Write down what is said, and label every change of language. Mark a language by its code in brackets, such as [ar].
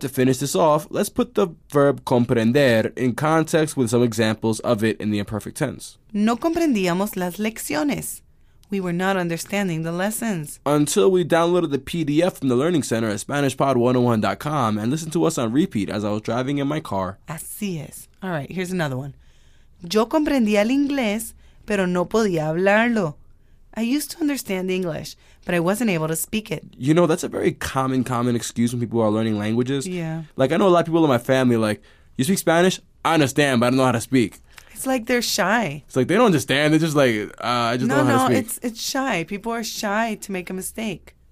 [en] To finish this off, let's put the verb comprender in context with some examples of it in the imperfect tense. [es] No comprendíamos las lecciones. [en] We were not understanding the lessons. Until we downloaded the PDF from the Learning Center at SpanishPod101.com and listened to us on repeat as I was driving in my car. [es] Así es. [en] All right, here's another one. [es] Yo comprendía el inglés, pero no podía hablarlo. [en] I used to understand English, but I wasn't able to speak it. You know, that's a very common excuse when people are learning languages. Yeah. Like, I know a lot of people in my family, like, you speak Spanish? I understand, but I don't know how to speak. It's like they're shy. It's like they don't understand. They're just like, I just don't know how to speak. It's shy. People are shy to make a mistake.